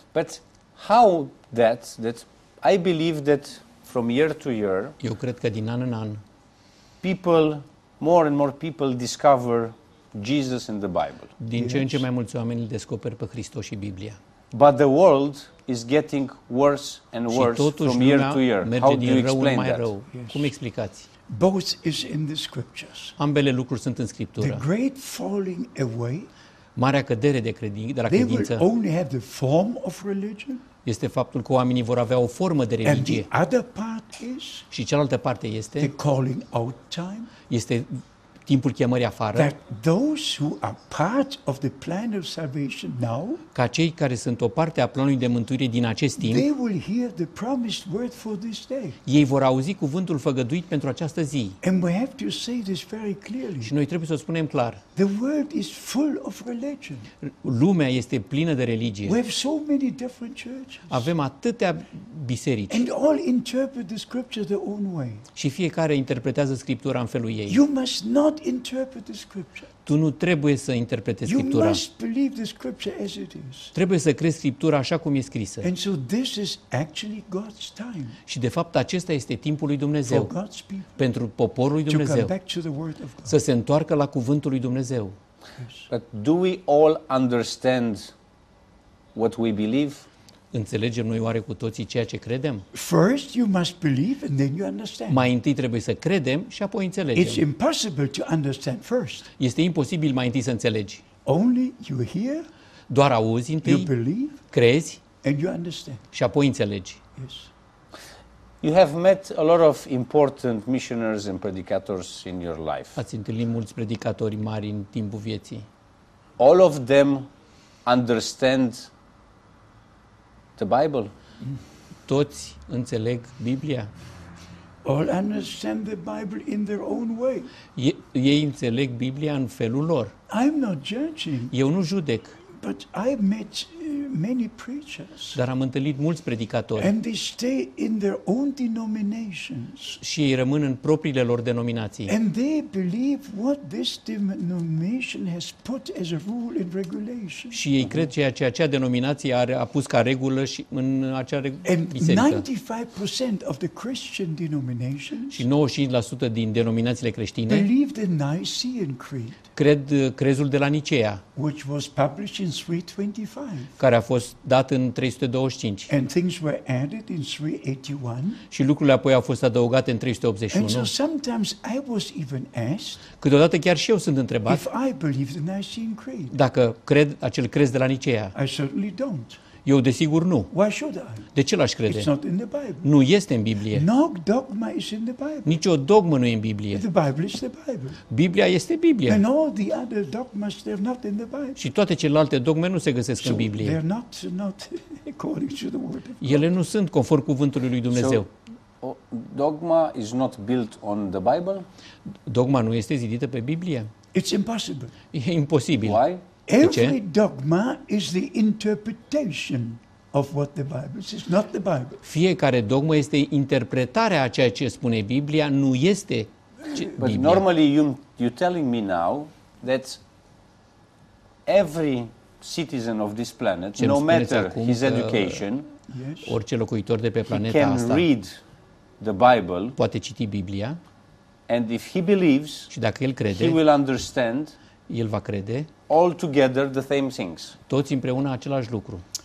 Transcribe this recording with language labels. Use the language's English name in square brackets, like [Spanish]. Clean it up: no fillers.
[English] But how that I believe that from year to year, [Romanian] eu cred că din an în an, [English] people more and more people discover Jesus in the Bible. [Romanian] Din yes. ce în ce mai mulți oameni îl descoperă pe Hristos și Biblia. [English] But the world is getting worse and worse from year to year. How do you explain that? Yes. [Romanian] Cum explicați? [English] Both is in the scriptures. [Romanian] Ambele lucruri sunt în Scriptură. [English] The great falling away, [Romanian] marea cădere de la credință, [English] they will only have the form of religion, [Romanian] este faptul că oamenii vor avea o formă de religie. [English] And the other part is, [Romanian] și cealaltă parte este, [English] the calling out time, [Romanian] este timpul chemării afară, [English] that those who are part of the plan of salvation now, [Romanian] ca cei care sunt o parte a planului de mântuire din acest timp, [English] they will hear the promised word for this day. [Romanian] Ei vor auzi cuvântul făgăduit pentru această zi. [English] And we have to say this very clearly. [Romanian] Și noi trebuie să o spunem clar. [English] The world is full of religion. [Romanian] Lumea este plină de religie. [English] We have so many different churches. [Romanian] Avem atâtea biserici. [English] And all interpret the scripture their own way. [Romanian] Și fiecare interpretează Scriptura în felul ei. [English] You must know not interpret the scripture. [Romanian] Tu nu trebuie să interpretezi Scriptura. [English] You must believe the scripture as it is. [Romanian] Trebuie să crezi Scriptura așa cum e scrisă. [English] And so this is actually God's time. [Romanian] Și de fapt acesta este timpul lui Dumnezeu. [English] For God's people. [Romanian] Pentru poporul lui Dumnezeu. [English] To come back to the word of God. [Romanian] Să se întoarcă la cuvântul lui Dumnezeu. [English] Yes. But do we all understand what we believe? [Romanian] Înțelegem noi oare cu toții ceea ce credem? [English] First you must believe and then you understand. [Romanian] Mai întâi trebuie să credem și apoi înțelegem. [English] It's impossible to understand first. [Romanian] Este imposibil mai întâi să înțelegi. [English] Only you hear, [Romanian] doar auzi întâi, [English] you believe, [Romanian] crezi [English] and you understand. [Romanian] Și apoi înțelegi. [English] Yes. You have met a lot of important missionaries and predicators in your life. [Romanian] Ați întâlnit mulți predicatori mari în timpul vieții. [English] All of them understand the Bible. [Romanian] Toți înțeleg Biblia. [English] All understand the Bible in their own way. [Romanian] Ei înțeleg Biblia în felul lor. [English] I'm not judging. [Romanian] Eu nu judec. [English] But I've met many preachers. [Romanian] Dar am întâlnit mulți predicatori. [English] And they stay in their own denominations. [Romanian] Și ei rămân în propriile lor denominații. [English] And they believe what this denomination has put as a rule and regulation. [Romanian] Și ei cred ceea ce acea denominație a pus ca regulă și în acea biserică. [English] And 95% of the Christian denominations. [Romanian] Și 95% din denominațiile creștine. [English] Believe the Nicene Creed. [Romanian] Cred crezul de la Nicea, [English] which was published in 325. [Romanian] Care a fost dat în 325. [English] And things were added in 381. [Romanian] Și lucrurile apoi au fost adăugate în 381. [English] And so sometimes I was even asked. [Romanian] Câteodată chiar și eu sunt întrebat. [English] If I believe the Nicene Creed. [Romanian] Dacă cred acel crez de la Nicea. [English] I certainly don't. [Romanian] Eu desigur nu. [English] Why should I? [Romanian] De ce l-aș crede? [English] It's not in the Bible. [Romanian] Nu este în Biblie. [English] No dogma is in the Bible. [Romanian] Nicio dogmă nu e în Biblie. [English] The Bible is the Bible. [Romanian] Biblia este Biblie. [English] And all the other dogmas, they're not in the Bible. [Romanian] Și toate celelalte dogme nu se găsesc so în Biblie. [English] They're not according to the word of God. [Romanian] Ele nu sunt conform cuvântului lui Dumnezeu. [English] So, dogma is not built on the Bible? [Romanian] Dogma nu este zidită pe Biblie. [English] It's impossible. [Romanian] E imposibil. [English] Why? Every dogma is the interpretation of what the Bible says, not the Bible. [Romanian] Fiecare dogmă este interpretarea a ceea ce spune Biblia, nu este Biblia. [English] But normally you're telling me now that every citizen of this planet, [Romanian] ce-mi [English] no matter his education, [Romanian] orice locuitor de pe planeta asta, [English] can read the Bible, [Romanian] poate citi Biblia, [English] and if he believes, [Romanian] și dacă el crede, [English] he will understand. [Romanian] El va crede. [English] All together the same things. [Romanian] Toți împreună același lucru.